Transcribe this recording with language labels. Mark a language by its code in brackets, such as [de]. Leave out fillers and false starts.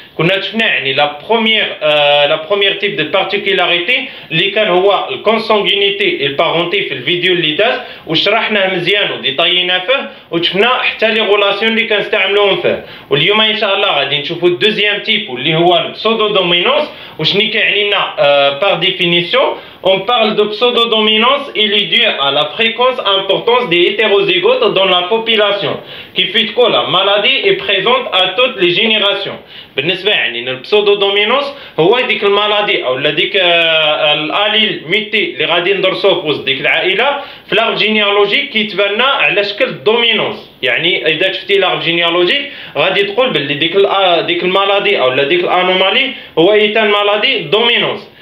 [ar] كنا شفنا يعني لا بروميير تيب دو بارتيكولاريتي اللي كان هو الكونسانجينيتي البارونتي في الفيديو اللي داز وشرحناه مزيان وديطيناه فيه، وشفنا حتى لي غولاسيون اللي كنستعملوهم فيه. واليوم ان شاء الله غادي نشوفوا الدوزيام تيب واللي هو البسودو دومينونس وشني كيعني لنا بار ديفينيسيون. [fr] On parle de pseudo-dominance, il est dû à la fréquence et importance des hétérozygotes dans la population. Qui fait que la maladie est présente à toutes les générations. [ar] بالنسبة يعني للبسودودومينوس هو ديك المالادي أو ديك الأليل ميتي اللي غادي ندرسوه في وسط ديك العائلة في لارب جينيالوجيك كيتبنى على شكل دومينوس، يعني إذا شفتي لارب جينيالوجيك غادي تقول باللي ديك المالادي أو ديك الأنومالي هو إيتان مالادي دومينوس.